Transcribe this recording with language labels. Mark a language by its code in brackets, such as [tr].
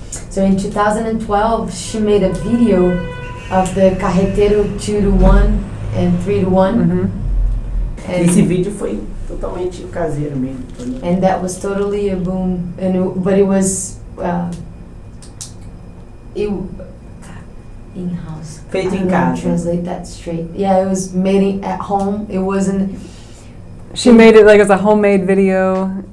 [en] So in 2012, she made a video of the carreteiro 2x1 and 3x1. [pt] And esse vídeo foi totalmente caseiro mesmo. [en] And that was totally a boom. And it, but it was... in-house. [pt] Feito em casa. [en] Translate that straight. Yeah, it was made at home. It wasn't... She made it like as a homemade video.